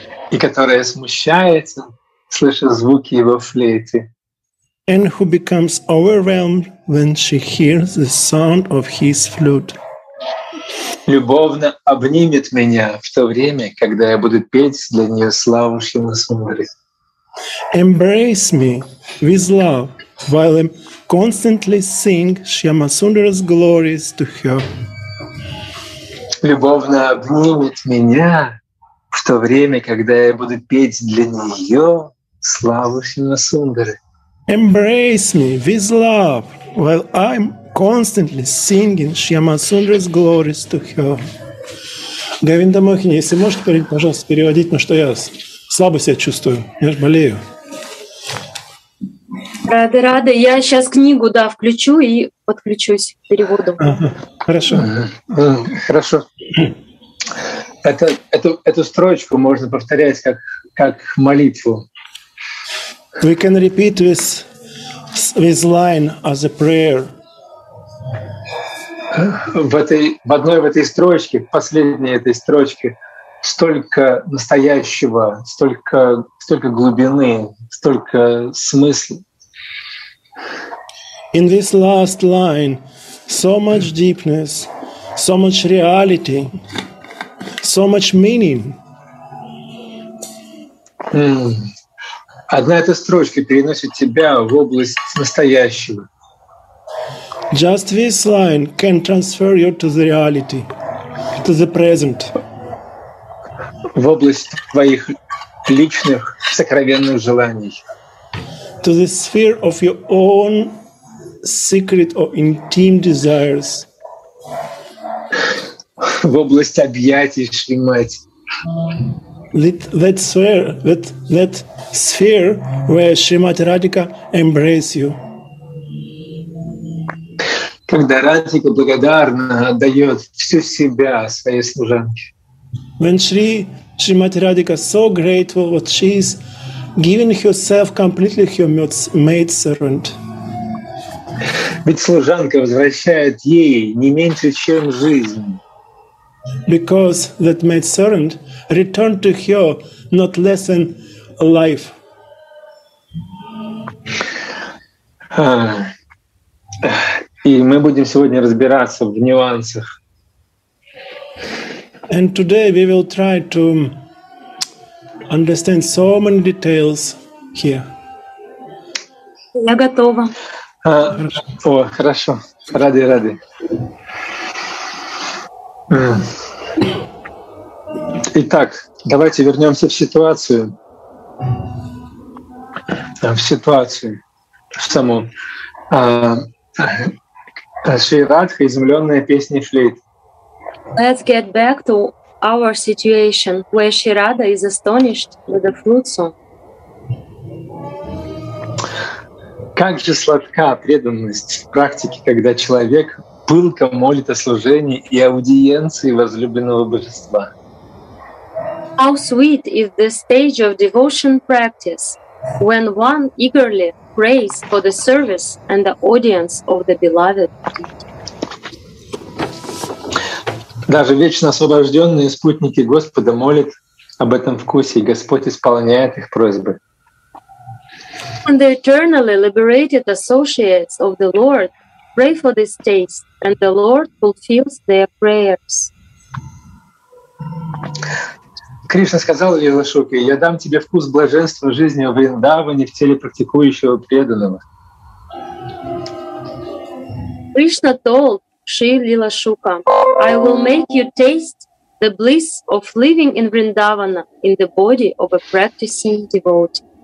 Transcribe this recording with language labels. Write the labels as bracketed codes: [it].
[ru] И которая смущается, слыша звуки его флейты. [en] And who becomes overwhelmed when she hears the sound of his flute. [ru] Любовно обнимет меня в то время, когда я буду петь для нее славу Шрима Сундари. [en] Embrace me with love while I'm constantly sing Shyama Sundara's glories to her. [ru] Любовно обнимет меня в то время, когда я буду петь для нее славу Шрима Сундары. [en] Embrace me with love while I'm constantly singing Shyama Sundara's glories to her. [ru] Говинда Мохини, если можешь, пожалуйста, переводить, на что я слабо себя чувствую. Я же болею. Рады, рады. Я сейчас книгу, да, включу и подключусь к переводу. Ага. Хорошо. Хорошо. Эту строчку можно повторять как молитву. [en] We can repeat this line as a prayer. [ru] В одной строчке, в последней этой строчке, столько настоящего, столько глубины, столько смысла. [en] In this last line, so much deepness, so much reality, so much meaning. [ru] Одна эта строчка переносит тебя в область настоящего. [en] Just this line can transfer you to the reality, to the present. [ru] В область твоих личных сокровенных желаний. [en] To the sphere of your own secret or intimate desires. [ru] В область объятий Шримати. [en] That sphere where Shrimati Radhika embrace you. [ru] когда Радхика благодарна отдает всю себя своей служанке. [en] When Shrimati Radhika so grateful what she is giving herself completely her maid servant. [ru] Ведь служанка возвращает ей не меньше, чем жизнь. [en] Because that maid servant returned to her not less than life. [ru] И мы будем сегодня разбираться в нюансах. [en] And today we will try to understand so many details here. [ru] Я готова. Хорошо. Ради. Итак, давайте вернемся в ситуацию. В ситуацию саму. Шри Радха, изумленная песней флейт. [en] Let's get back to our situation where Shri Radha is astonished with the flute song. [ru] Как же сладка преданность в практике, когда человек пылко молит о служении и аудиенции возлюбленного божества. [en] How sweet is the stage of devotion practice when one eagerly prays for the service and the audience of the beloved. [ru] Даже вечно освобожденные спутники Господа молят об этом вкусе, и Господь исполняет их просьбы. [en] And the eternally liberated associates of the Lord pray for this taste, and the Lord fulfills their prayers. [ru] Кришна сказал Лила Шуке: «Я дам тебе вкус блаженства жизни в Вриндаване в теле практикующего преданного». [en] Кришна told Шри Лила Шука: «I will make you taste the bliss of living in Vrindavana in the body of a practicing devotee».